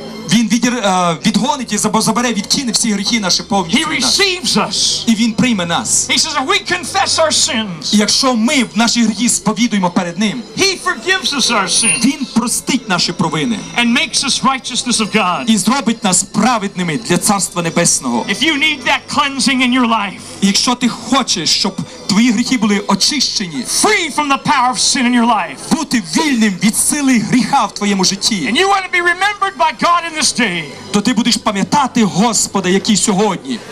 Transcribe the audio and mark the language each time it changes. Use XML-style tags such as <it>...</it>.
<uk>Він відгонить і забере, відкине всі гріхи наші повністю.</uk> <en>He receives us.</en> <uk>І він прийме нас.</uk> <en>He says if we confess our sins.</en> <uk>І якщо ми в наші гріхи сповідуємо перед ним.</uk> <en>He forgives us our sins.</en> <uk>Він простить наші провини.</uk> <en>And makes us righteousness of God.</en> <uk>І зробить нас праведними для Царства Небесного.</uk> <en>If you need that cleansing in your life.</en> <uk>Якщо ти хочеш, щоб твої гріхи були очищені.</uk> <en>Free from the power of sin in your life.</en> <uk>Бути вільним від сили гріха в твоєму житті.</uk> <en>And you want to be remembered by God in this day.</en> <uk>То ти будеш пам'ятати Господа, який сьогодні.</uk>